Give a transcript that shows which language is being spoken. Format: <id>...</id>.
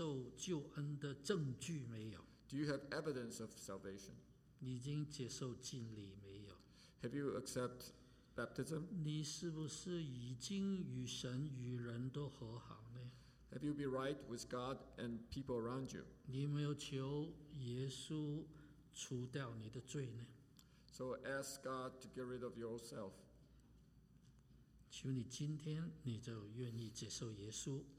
<zh>你有没有接受救恩的证据没有?</zh> <en>Do you have evidence of salvation?</en> <zh>你已经接受浸礼没有?</zh> <en>Have you accept baptism?</en> <zh>你是不是已经与神与人都和好呢?</zh> <en>Have you been right with God and people around you?</en> <zh>你有没有求耶稣除掉你的罪呢?</zh> <en>So ask God to get rid of yourself.</en> <zh>求你今天你就愿意接受耶稣。</zh>